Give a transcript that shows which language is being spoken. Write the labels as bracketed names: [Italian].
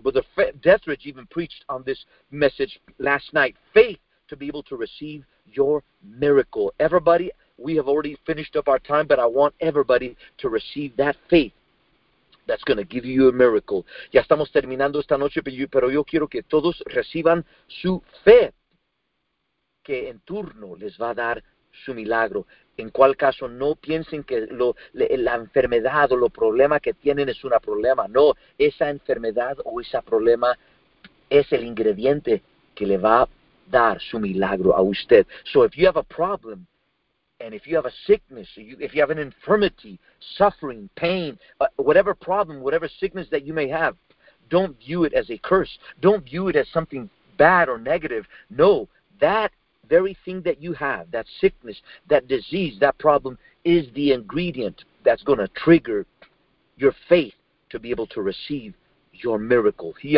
[English] But Dethridge even preached on this message last night. Faith to be able to receive your miracle. Everybody, we have already finished up our time, but I want everybody to receive that faith that's going to give you a miracle. [Spanish] Ya estamos terminando esta noche, pero yo quiero que todos reciban su fe, que en turno les va a dar su milagro. En cual caso, no piensen que la enfermedad o lo problema que tienen es un problema. No, esa enfermedad o ese problema es el ingrediente que le va a dar su milagro a usted. [English] So if you have a problem, and if you have a sickness, if you have an infirmity, suffering, pain, whatever problem, whatever sickness that you may have, don't view it as a curse. Don't view it as something bad or negative. No, that very thing that you have, that sickness, that disease, that problem, is the ingredient that's going to trigger your faith to be able to receive your miracle.